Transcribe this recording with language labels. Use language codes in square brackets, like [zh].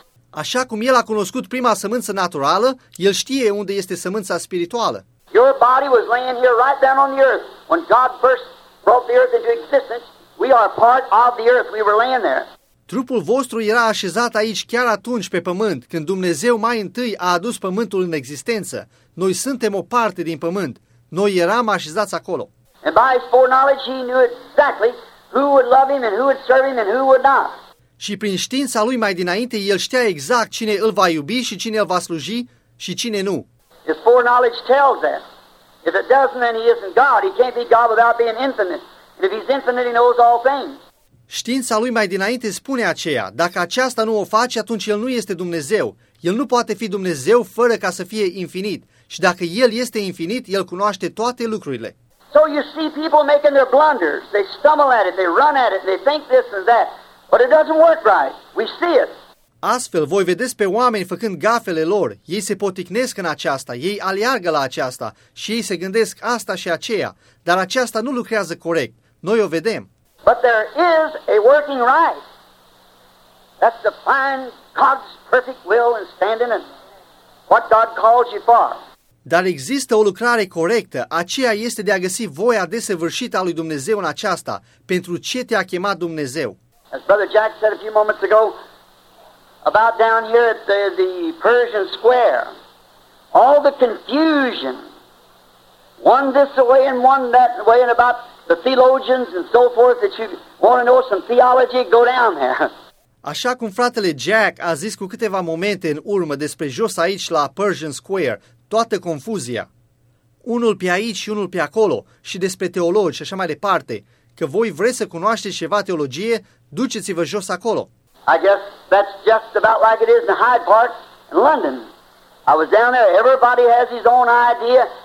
[ro] Așa cum El a cunoscut prima sămânță naturală, El știe unde este sămânța spirituală. [en] Your body was laying here right down on the earth when God first brought the earth into existence. We are part of the earth. We were laying there. [ro] Trupul vostru era așezat aici chiar atunci pe pământ, când Dumnezeu mai întâi a adus pământul în existență. Noi suntem o parte din pământ. Noi eram așezați acolo. [en] And by his foreknowledge he knew exactly who would love him and who would serve him and who would not. [ro] Și prin știința lui mai dinainte, el știa exact cine îl va iubi și cine îl va sluji și cine nu. [en] His foreknowledge tells that. If it doesn't, then he isn't God. He can't be God without being infinite. If he's infinite, he knows all things. [ro] Știința lui mai dinainte spune aceea, dacă aceasta nu o face, atunci el nu este Dumnezeu. El nu poate fi Dumnezeu fără ca să fie infinit. Și dacă el este infinit, el cunoaște toate lucrurile. [en] So you see people making their blunders. They stumble at it, they run at it, they think this and that. But it doesn't work right. We see it. [ro] Astfel, voi vedeți pe oameni făcând gafele lor. Ei se poticnesc în aceasta, ei aleargă la aceasta și ei se gândesc asta și aceea. Dar aceasta nu lucrează corect. Noi o vedem. [en] But there is a working right. That's the fine God's perfect will and standing and what God calls you for. [ro] Dar există o lucrare corectă. Aceea este de a găsi voia desăvârșită a lui Dumnezeu în aceasta. Pentru ce te-a chemat Dumnezeu? [en] As Brother Jack said a few moments ago, about down here at the Persian Square, all the confusion, one this way and one that way, and about the theologians and so forth, that you want to know some theology, go down there. [ro] Așa cum fratele Jack a zis cu câteva momente în urmă despre jos aici la Persian Square, toată confuzia, unul pe aici și unul pe acolo, și despre teologi și așa mai departe, că voi vreți să cunoașteți ceva teologie, duceți-vă jos acolo. [en] I guess that's just about like it is in Hyde Park in London. I was down there. Everybody has his own idea.